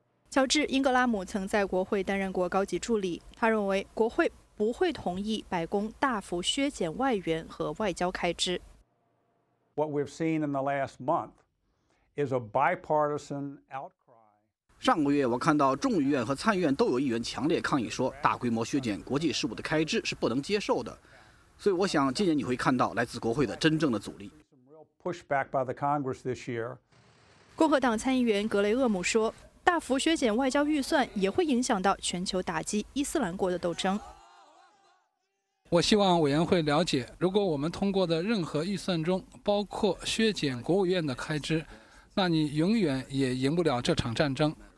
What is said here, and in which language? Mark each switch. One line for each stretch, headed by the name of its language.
Chinese: 乔治·英格拉姆曾在国会担任过高级助理，他认为国会不会同意白宫大幅削减外援和外交开支。
English: What we've seen in the last month is a bipartisan outcry.
Chinese: 上个月我看到众议院和参议院都有议员强烈抗议说，大规模削减国际事务的开支是不能接受的。所以我想今年你会看到来自国会的真正的阻力。
English: Pushback by the Congress this year.
Chinese: 共和党参议员格雷厄姆说，大幅削减外交预算也会影响到全球打击伊斯兰国的斗争。我希望委员会了解，如果我们通过的任何预算中包括削减国务院的开支，那你永远也赢不了这场战争。